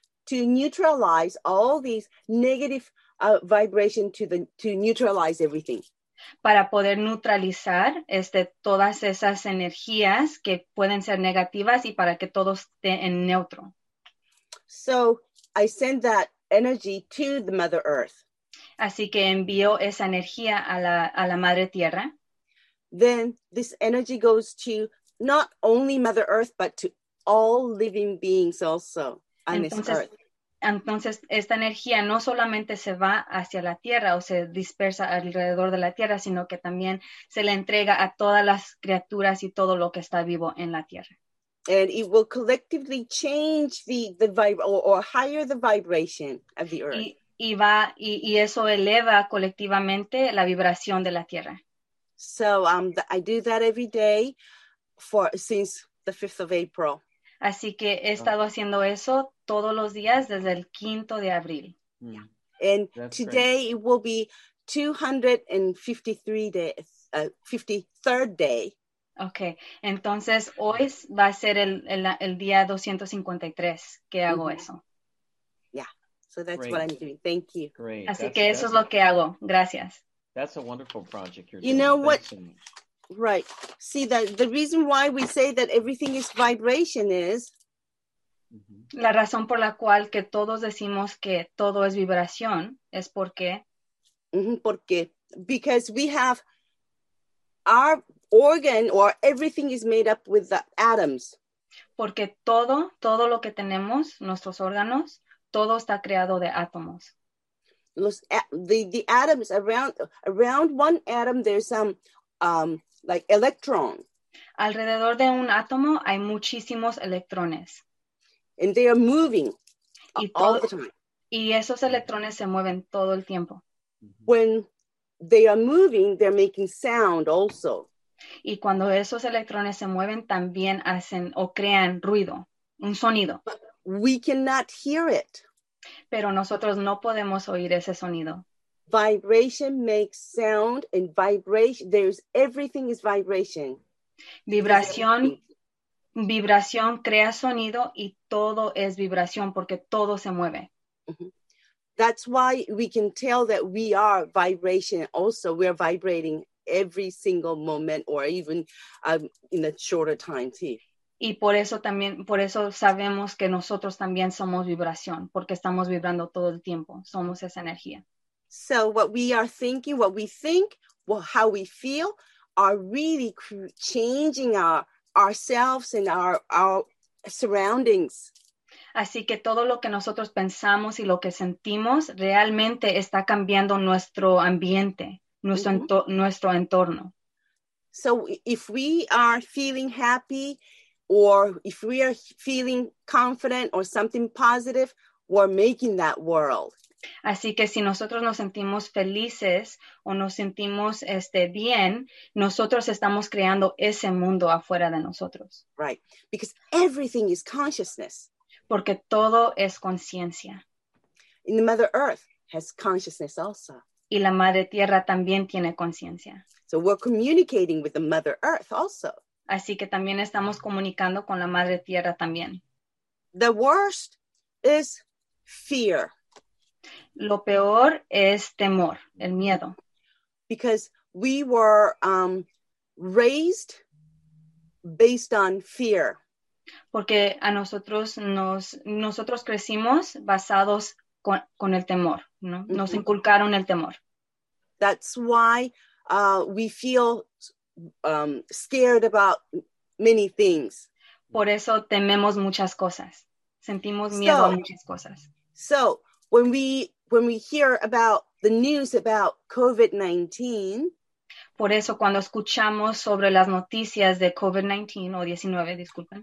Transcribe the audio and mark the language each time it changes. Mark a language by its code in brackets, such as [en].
[en] To neutralize all these negative vibration to neutralize everything. [es] Para poder neutralizar todas esas energías que pueden ser negativas y para que todo esté en neutro. [en] So I send that energy to the Mother Earth. [es] Así que envío esa energía a la Madre Tierra. [en] Then this energy goes to not only Mother Earth, but to all living beings also on this earth. [es] Entonces, esta energía no solamente se va hacia la Tierra o se dispersa alrededor de la Tierra, sino que también se le entrega a todas las criaturas y todo lo que está vivo en la Tierra. [en] And it will collectively change the vibe or higher the vibration of the earth. [es] Y eso eleva colectivamente la vibración de la Tierra. [en] So I do that every day since the 5th of April. [es] Así que he estado haciendo eso todos los días desde el 5 de abril. [en] Mm. Yeah. And that's today great. It will be 53rd day. [es] Okay, entonces hoy va a ser el día 253 que hago mm-hmm. eso. [en] Yeah, so that's great. What I'm doing. Thank you. Great. [es] Así que eso es lo que hago. Gracias. [en] That's a wonderful project you're doing. You know what? Right. See, the reason why we say that everything is vibration is... [es] La razón por la cual que todos decimos que todo es vibración es porque... Porque, [en] because we have our organ or everything is made up with the atoms. [es] Porque todo lo que tenemos, nuestros órganos, todo está creado de átomos. [en] The atoms, around one atom, there's some... like electron. [es] Alrededor de un átomo hay muchísimos electrones. [en] And they are moving all the time. [es] Y esos electrones se mueven todo el tiempo. [en] When they are moving, they're making sound also. [es] Y cuando esos electrones se mueven, también hacen o crean ruido, un sonido. [en] But we cannot hear it. [es] Pero nosotros no podemos oír ese sonido. [en] Vibration makes sound, and vibration, there's everything is vibration. [es] Vibración crea sonido, y todo es vibración, porque todo se mueve. [en] That's why we can tell that we are vibration also. We are vibrating every single moment, or even in a shorter time, too. [es] Y por eso sabemos que nosotros también somos vibración, porque estamos vibrando todo el tiempo. Somos esa energía. [en] So what we are thinking, what we think, well, how we feel, are really changing ourselves and our surroundings. [es] Así que todo lo que nosotros pensamos y lo que sentimos realmente está cambiando nuestro ambiente, nuestro entorno. [en] So if we are feeling happy, or if we are feeling confident or something positive, we're making that world. [es] Así que si nosotros nos sentimos felices o nos sentimos bien, nosotros estamos creando ese mundo afuera de nosotros. [en] Right, because everything is consciousness. [es] Porque todo es conciencia. [en] And the Mother Earth has consciousness also. [es] Y la Madre Tierra también tiene conciencia. [en] So we're communicating with the Mother Earth also. [es] Así que también estamos comunicando con la Madre Tierra también. [en] The worst is fear. [es] Lo peor es temor, el miedo. [en] Because we were raised based on fear. [es] Porque a nosotros nosotros crecimos basados con el temor, ¿no? Nos inculcaron el temor. [en] That's why we feel scared about many things. [es] Por eso tememos muchas cosas. Sentimos miedo a muchas cosas. [en] So, when we hear about the news about COVID-19, [es] por eso cuando escuchamos sobre las noticias de COVID-19 o 19, disculpen,